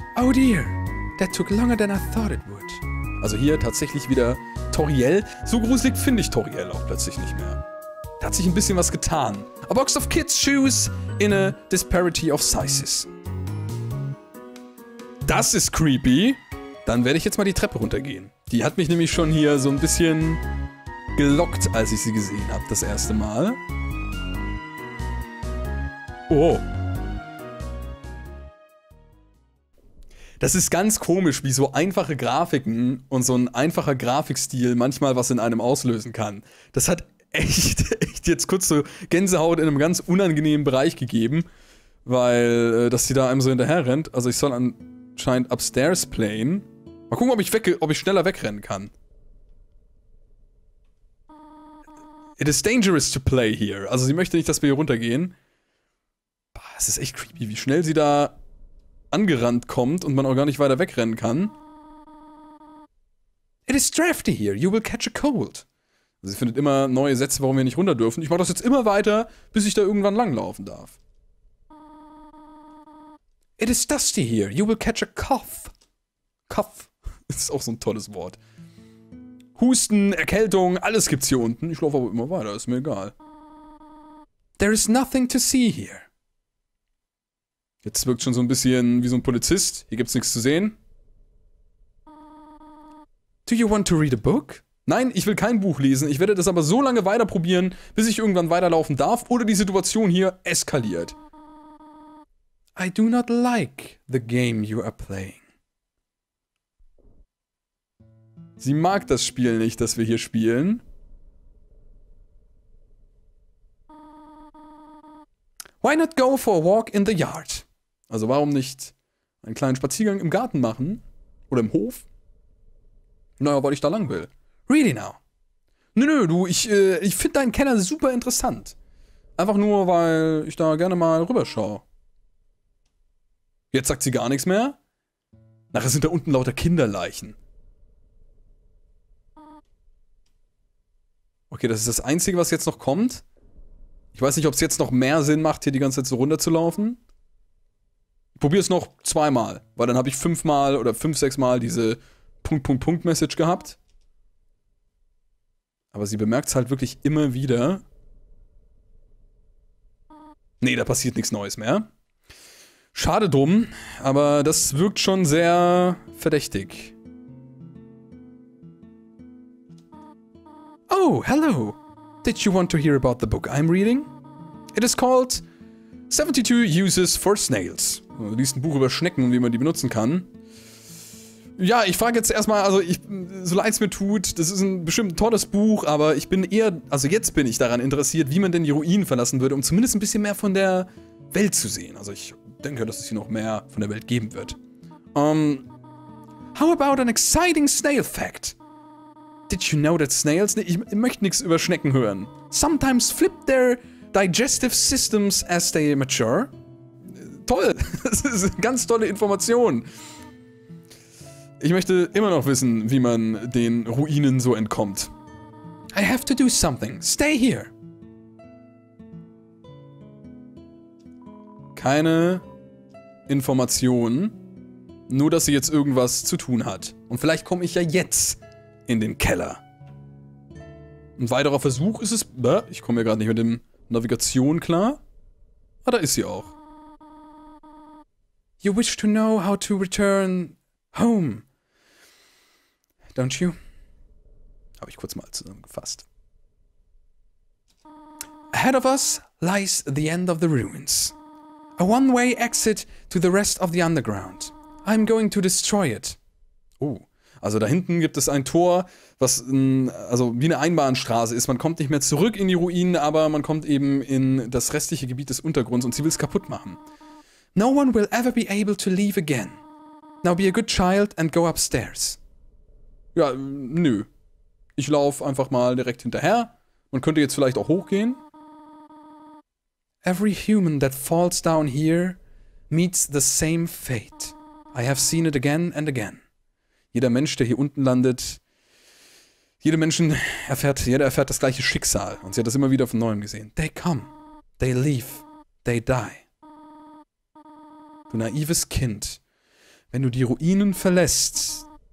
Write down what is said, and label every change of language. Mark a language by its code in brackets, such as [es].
[en] Oh dear, that took longer than I thought it would. [de] Also hier tatsächlich wieder Toriel. So gruselig finde ich Toriel auch plötzlich nicht mehr. Da hat sich ein bisschen was getan. [en] A box of kids' shoes in a disparity of sizes. [de] Das ist creepy. Dann werde ich jetzt mal die Treppe runtergehen. Die hat mich nämlich schon hier so ein bisschen gelockt, als ich sie gesehen habe, das erste Mal. Oh. Das ist ganz komisch, wie so einfache Grafiken und so ein einfacher Grafikstil manchmal was in einem auslösen kann. Das hat echt jetzt kurz so Gänsehaut in einem ganz unangenehmen Bereich gegeben, weil, dass sie da einem so hinterher rennt. Also ich soll anscheinend upstairs playen. Mal gucken, ob ich schneller wegrennen kann. [en] It is dangerous to play here. [de] Also sie möchte nicht, dass wir hier runtergehen. Boah, es ist echt creepy, wie schnell sie da angerannt kommt und man auch gar nicht weiter wegrennen kann. [en] It is drafty here, you will catch a cold. [de] Sie findet immer neue Sätze, warum wir nicht runter dürfen. Ich mache das jetzt immer weiter, bis ich da irgendwann langlaufen darf. [en] It is dusty here, you will catch a cough. [de] Cough, das ist auch so ein tolles Wort. Husten, Erkältung, alles gibt's hier unten. Ich laufe aber immer weiter, ist mir egal. [en] There is nothing to see here. [de] Jetzt wirkt schon so ein bisschen wie so ein Polizist. Hier gibt's nichts zu sehen. [en] Do you want to read a book? [de] Nein, ich will kein Buch lesen. Ich werde das aber so lange weiter probieren, bis ich irgendwann weiterlaufen darf oder die Situation hier eskaliert. [en] I do not like the game you are playing. [de] Sie mag das Spiel nicht, das wir hier spielen. [en] Why not go for a walk in the yard? [de] Also warum nicht einen kleinen Spaziergang im Garten machen? Oder im Hof? Naja, weil ich da lang will. [en] Really now? [de] Nö, du, ich finde deinen Kenner super interessant. Einfach nur, weil ich da gerne mal rüberschaue. Jetzt sagt sie gar nichts mehr? Nachher sind da unten lauter Kinderleichen. Okay, das ist das Einzige, was jetzt noch kommt. Ich weiß nicht, ob es jetzt noch mehr Sinn macht, hier die ganze Zeit so runterzulaufen. Ich probiere es noch zweimal, weil dann habe ich fünfmal oder fünf, sechsmal diese Punkt-Punkt-Punkt-Message gehabt. Aber sie bemerkt es halt wirklich immer wieder. Nee, da passiert nichts Neues mehr. Schade drum, aber das wirkt schon sehr verdächtig. [en] Oh, hello. Did you want to hear about the book I'm reading? It is called 72 Uses for Snails. [de] Du liest ein Buch über Schnecken und wie man die benutzen kann. Ja, ich frage jetzt erstmal, also ich, so leid es mir tut, das ist ein bestimmt ein tolles Buch, aber ich bin eher, also jetzt bin ich daran interessiert, wie man denn die Ruinen verlassen würde, um zumindest ein bisschen mehr von der Welt zu sehen. Also ich denke, dass es hier noch mehr von der Welt geben wird. [en] How about an exciting snail fact? Did you know that snails, [de] ich möchte nichts über Schnecken hören. [en] Sometimes flip their digestive systems as they mature. [de] Toll, das ist eine ganz tolle Information. Ich möchte immer noch wissen, wie man den Ruinen so entkommt. [en] I have to do something. Stay here. [de] Keine Information, nur dass sie jetzt irgendwas zu tun hat. Und vielleicht komme ich ja jetzt in den Keller. Ein weiterer Versuch ist es... Ich komme ja gerade nicht mit dem Navigation klar. Ah, da ist sie auch. [en] You wish to know how to return home. Don't you? [de] Habe ich kurz mal zusammengefasst. [en] Ahead of us lies the end of the ruins. A one-way exit to the rest of the underground. I'm going to destroy it. [de] Oh, also da hinten gibt es ein Tor, was also wie eine Einbahnstraße ist. Man kommt nicht mehr zurück in die Ruinen, aber man kommt eben in das restliche Gebiet des Untergrunds und sie will es kaputt machen. [en] No one will ever be able to leave again. Now be a good child and go upstairs. [de] Ja, nö. Ich laufe einfach mal direkt hinterher. Man könnte jetzt vielleicht auch hochgehen. [en] Every human that falls down here meets the same fate. I have seen it again and again. [de] Jeder Mensch, der hier unten landet, jeder erfährt das gleiche Schicksal. Und sie hat das immer wieder von Neuem gesehen. They come. They leave. They die. Du naives Kind. Wenn du die Ruinen verlässt,